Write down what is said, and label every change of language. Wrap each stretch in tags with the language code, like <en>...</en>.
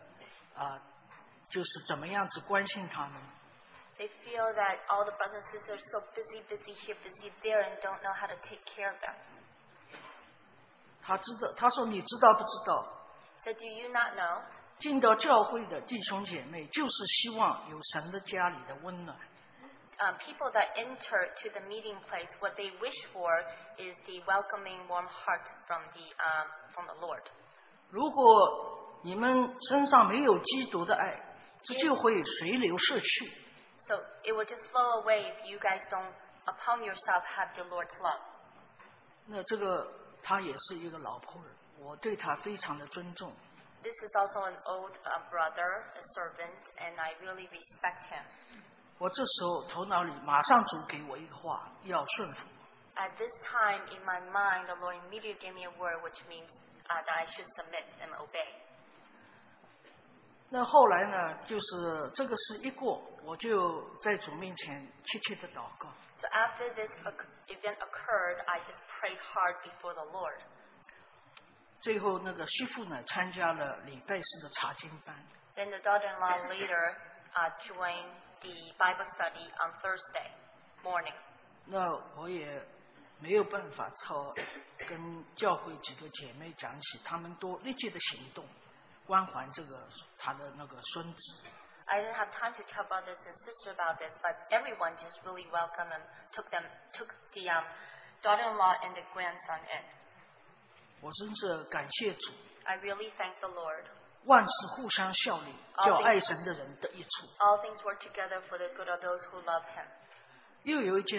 <zh>那他们好像觉得弟兄姐妹们都忙忙碌碌的，不知道怎么就是怎么样子关心他们。</zh> <en>They feel that all the brothers and sisters are so busy, busy here, busy there, and don't know how to take care of them.</en> <zh>他说你知道不知道?</zh> <en>So do you not know?</en> <zh>进到教会的弟兄姐妹就是希望有神的家里的温暖。</zh> <en>People that enter to the meeting place, what they wish for is the welcoming warm heart from the Lord.</en> <zh>如果你们身上没有基督的爱, 这就会随流逝去。</zh> <en>So it will just fall away if you guys don't upon yourself have the Lord's love.</en> <zh>那这个, 他也是一个老仆人, 我对他非常的尊重。</zh> <en>This is also an old brother, a servant, and I really respect him.</en> <zh>我这时候头脑里马上主给我一个话, 要顺服。</zh> <en>At this time, in my mind, the Lord immediately gave me a word, which means that I should submit and obey.</en> <zh>那后来呢, 就是这个事一过, 我就在主面前切切地祷告。</zh> <en>So after this event occurred, I just prayed hard before the Lord.</en> <zh>最后那个媳妇呢, 参加了礼拜四的查经班。</zh> <en>Then the daughter-in-law later joined the Bible study on Thursday morning.</en> <zh>那我也没有办法跟教会几个姐妹讲起，他们都立即的行动，关怀这个他的那个孙子。</zh> <en>I didn't have time to tell brothers and sisters about this, but everyone just really welcomed and took the daughter-in-law and the grandson in.</en> <zh>我真是感谢主。</zh> <en>I really thank the Lord.</en> <zh>万事互相效力，叫爱神的人得益处。</zh> <en>All things work together for the good of those who love him.</en>